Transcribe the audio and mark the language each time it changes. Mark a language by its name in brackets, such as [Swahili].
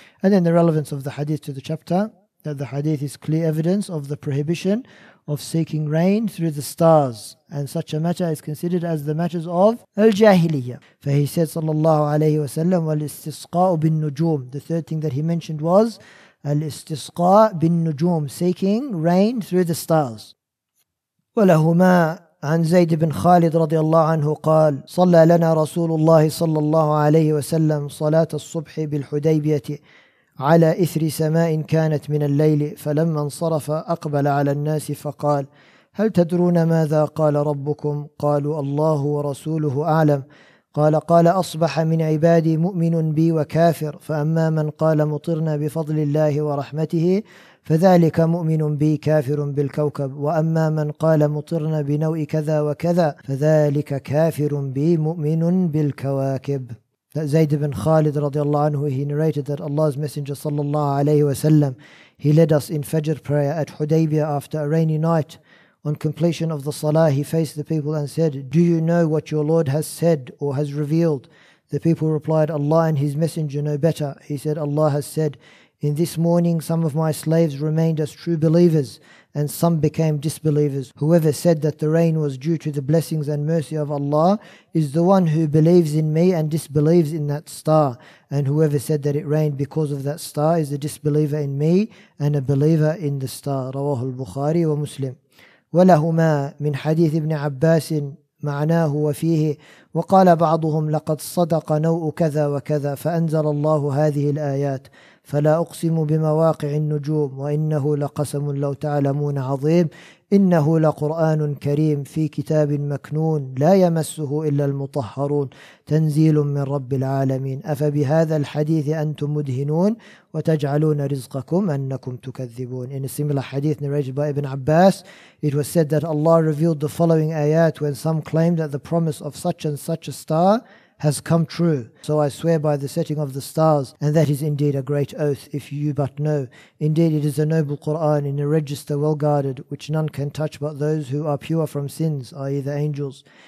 [English] And then the relevance of the hadith to the chapter, that the hadith is clear evidence of the prohibition of seeking rain through the stars. And such a matter is considered as the matters of al-jahiliyyah. For he said, sallallahu alayhi wa sallam, [Arabic] wal-istisqa'u bin-nujum. [English] The third thing that he mentioned was, [Arabic] al-istisqa'u bin-nujum, [English] seeking rain through the stars. [Arabic] Wa-lahuma عن زيد بن خالد رضي الله عنه قال صلى لنا رسول الله صلى الله عليه وسلم صلاة الصبح بالحديبية على إثر سماء كانت من الليل فلما انصرف أقبل على الناس فقال هل تدرون ماذا قال ربكم قالوا الله ورسوله أعلم قال أصبح من عبادي مؤمن بي وكافر فأما من قال مطرنا بفضل الله ورحمته فذلك مؤمن بي كافر بالكوكب وأما من قال مطرنا بنوء كذا وكذا فذلك كافر بي مؤمن بالكواكب [English] That Zayd ibn Khalid رضي الله عنه he narrated that Allah's Messenger صلى الله عليه وسلم he led us in Fajr prayer at Hudaybiyah after a rainy night. On completion of the salah, he faced the people and said, Do you know what your Lord has said or has revealed? The people replied, Allah and His Messenger know better. He said, Allah has said, In this morning some of my slaves remained as true believers and some became disbelievers. Whoever said that the rain was due to the blessings and mercy of Allah is the one who believes in me and disbelieves in that star. And whoever said that it rained because of that star is a disbeliever in me and a believer in the star. [Arabic] رواه البخاري ومسلم ولهما من حديث ابن عباس معناه وفيه وقال بعضهم لقد صدق نوء كذا وكذا فأنزل الله هذه الآيات فلا أقسم بمواقع النجوم وإنه لقسم لو تعلمون عظيم إنه لقرآن كريم في كتاب مكنون لا يمسه إلا المطهرون تنزيل من رب العالمين أفبهذا الحديث أنتم مدهنون وتجعلون رزقكم أنكم تكذبون. [English] In a similar hadith narrated by Ibn Abbas, it was said that Allah revealed the following ayat when some claimed that the promise of such and such a star has come true. So I swear by the setting of the stars, and that is indeed a great oath, if you but know. Indeed, it is a noble Qur'an in a register well guarded, which none can touch but those who are pure from sins, i.e. the angels.